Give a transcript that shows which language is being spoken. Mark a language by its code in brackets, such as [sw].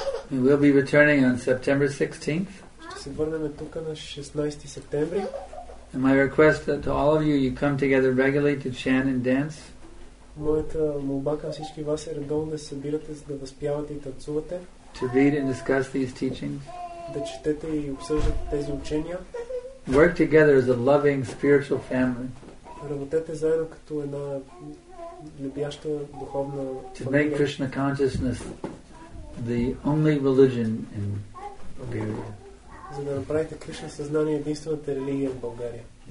[en] We will be returning on September 16th. [bg] Ще се върнем тук на 16 септември. [en] And my request that to all of you, you come together regularly to chant and dance. [bg] Моята молба към всички вас е редовно да се събирате, за да възпявате и танцувате. [en] To read and discuss these teachings. [bg] Да четете и обсъждате тези учения. [en] Work together as a loving spiritual family. [bg] Работете заедно като една любяща духовна фамилия. [en] To make Krishna consciousness the only religion in Bulgaria. [bg] За да направите Кришна съзнание единствената религия в България.